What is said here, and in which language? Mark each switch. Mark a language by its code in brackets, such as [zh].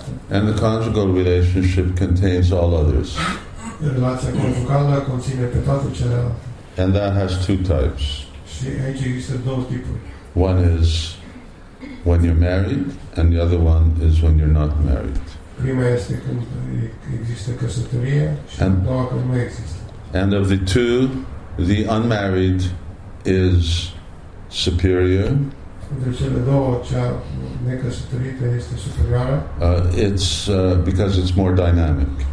[en] And the conjugal relationship contains all others. [ro] Relația conjugală conține pe toate celelalte. [en] And that has two types. [ro] Și aici există două tipuri. [en] One is when you're married, and the other one is when you're not married. [ro] Prima este când există căsătorie și a doua când nu există. [en] And of the two, the unmarried is superior. [ro] De cele două, cea necăsătorită este superioară. [en] It's because it's more dynamic.